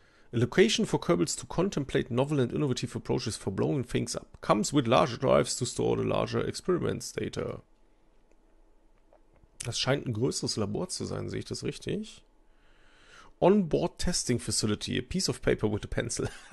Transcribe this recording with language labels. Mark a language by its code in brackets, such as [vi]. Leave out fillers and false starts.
[en] A location for Kerbals to contemplate novel and innovative approaches for blowing things up. Comes with larger drives to store the larger experiments data. [de] Das scheint ein größeres Labor zu sein, sehe ich das richtig? [en] Onboard Testing Facility, a piece of paper with a pencil.